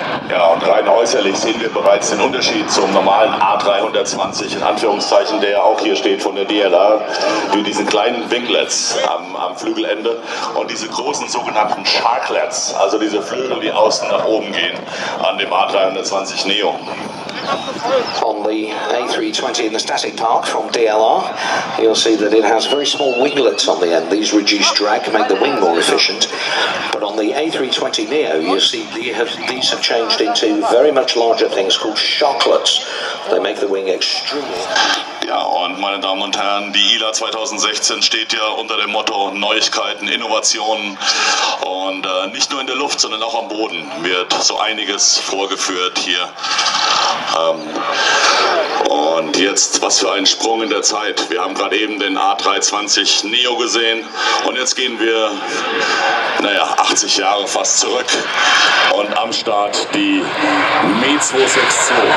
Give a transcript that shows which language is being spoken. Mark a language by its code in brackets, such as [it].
[de] Ja, und rein äußerlich sehen wir bereits den Unterschied zum normalen A320 in Anführungszeichen, der auch hier steht von der DLA, wie diesen kleinen Winglets am Flügelende und diese großen sogenannten Sharklets, also diese Flügel, die außen nach oben gehen an dem A320neo. [en] On the A320 in the static park from DLR, you'll see that it has very small winglets on the end. These reduce drag, make the wing more efficient. But on the A320neo, you'll see these have changed into very much larger things called sharklets. They make the wing extremely... [de] Ja, und meine Damen und Herren, die ILA 2016 steht ja unter dem Motto Neuigkeiten, Innovationen. Und nicht nur in der Luft, sondern auch am Boden wird so einiges vorgeführt hier. Und jetzt, was für ein Sprung in der Zeit. Wir haben gerade eben den A320neo gesehen und jetzt gehen wir, naja, 80 Jahre fast zurück und am Start die Me-262.